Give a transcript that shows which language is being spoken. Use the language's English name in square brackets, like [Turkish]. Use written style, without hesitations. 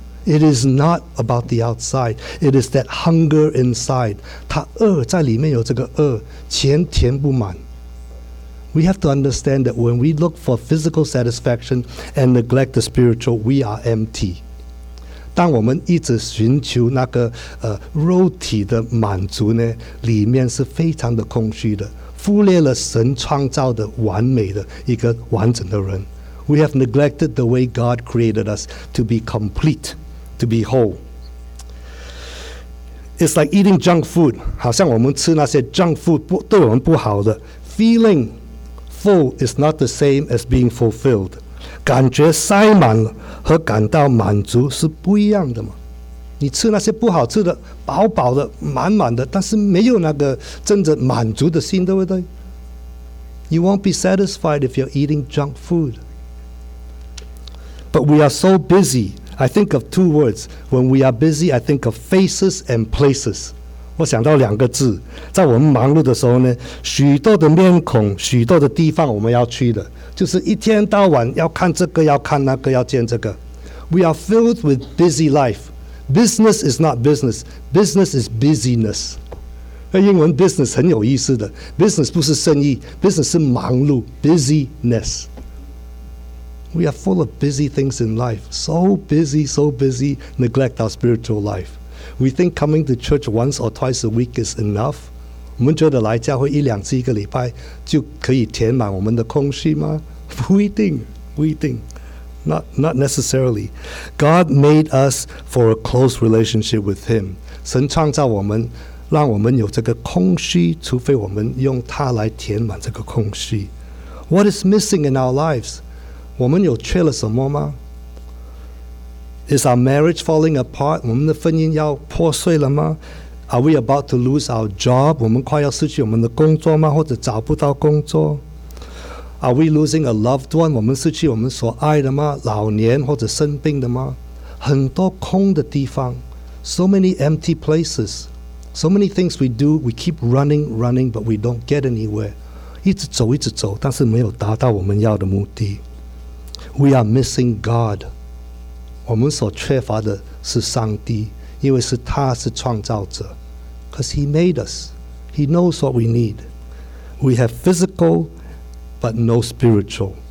[English] It is not about the outside. It is that hunger inside. [Chinese] 他饿，在里面有这个饿，钱填不满。 [English] We have to understand that when we look for physical satisfaction and neglect the spiritual, we are empty. [Chinese] 当我们一直寻求那个肉体的满足呢，里面是非常的空虚的。忽略了神创造的完美的一个完整的人。 [English] We have neglected the way God created us to be complete, to be whole. It's like eating junk food. [Chinese] 好像我们吃那些 junk food 对我们不好的。 [English] Feeling full is not the same as being fulfilled. [Chinese] 感觉塞满了和感到满足是不一样的嘛。你吃那些不好吃的，饱饱的，满满的，但是没有那个真正满足的心，对不对？ [English] You won't be satisfied if you're eating junk food. But we are so busy. I think of two words. When we are busy, I think of faces and places. [Chinese] 我想到两个字，在我们忙碌的时候呢，许多的面孔，许多的地方我们要去的，就是一天到晚要看这个，要看那个，要见这个。 [English] We are filled with busy life. Business is not business. Business is busyness. [Chinese] 英文 business 很有意思的。 Business 不是生意， business 是忙碌， busyness. [English] We are full of busy things in life. So busy, neglect our spiritual life. We think coming to church once or twice a week is enough. [Chinese] 我们觉得来教会一两次一个礼拜就可以填满我们的空虚吗？不一定。 [English] Not necessarily. God made us for a close relationship with Him. [Chinese] 神创造我们，让我们有这个空虚，除非我们用它来填满这个空虚。 [English] What is missing in our lives? [Chinese] 我们有缺了什么吗？ [English] Is our marriage falling apart? [Chinese] 我们的婚姻要破碎了吗？ [English] Are we about to lose our job? [Chinese] 我们快要失去我们的工作吗？或者找不到工作？ [English] Are we losing a loved one? [Chinese] 我们失去我们所爱的吗？老年或者生病的吗？很多空的地方， [English] so many empty places, so many things we do, we keep running, but we don't get anywhere. [Chinese] 一直走，但是没有达到我们要的目的。 [English] We are missing God. [Chinese] 我们所缺乏的是上帝，因为是他是创造者。 [English] Because he made us. He knows what we need. We have physical,But no spiritual.